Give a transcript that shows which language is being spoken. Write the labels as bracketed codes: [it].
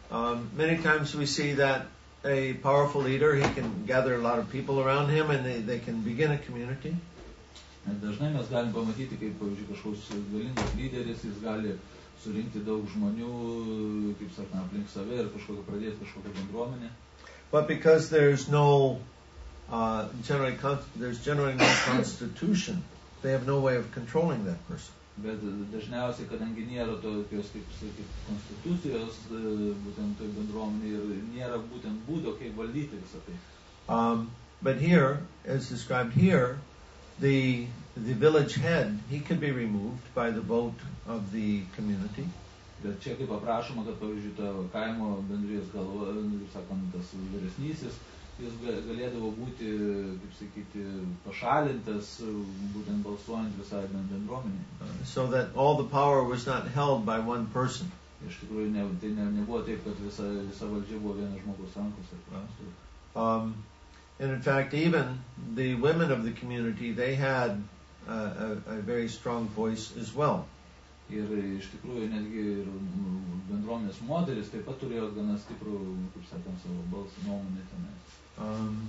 [en] Many times we see that a powerful leader, he can gather a lot of people around him and they can begin a community. [lt] Dažnai mes galim pamatyti, kaip, pavyzdžiui, kažkoks galingas lyderis, jis gali surinkti daug žmonių, kaip sakant, aplink save ir kažkokią pradėti kažkokią bendruomenę. [en] But because there's no generally constitution, they have no way of controlling that person. [lt] Bet dažniausiai, kadangi nėra tokios, kaip sakyt, konstitucijos būtent toj bendruomenėj ir nėra būtent būdo, kaip valdyti visą tai. [en] But here, as described here, the village head, he could be removed by the vote of the community. [lt] Bet čia kaip aprašoma, kad pavyzdžiui, to kaimo bendrijos galva, sakant, tas vyresnysis, jis galėdavo būti, kaip sakyti, pašalintas, būtent balsuojant visai bendruomenį. [en] So that all the power was not held by one person. [lt] Iš tikrųjų, tai nebuvo taip, kad visa valdžia buvo vienas žmogus rankos. [en] And in fact, even the women of the community, they had a very strong voice as well. [lt] Ir iš tikrųjų, netgi ir bendruomenės moteris taip pat turėjo gana stiprų, kaip sakant, savo balsą nuomonę tenai.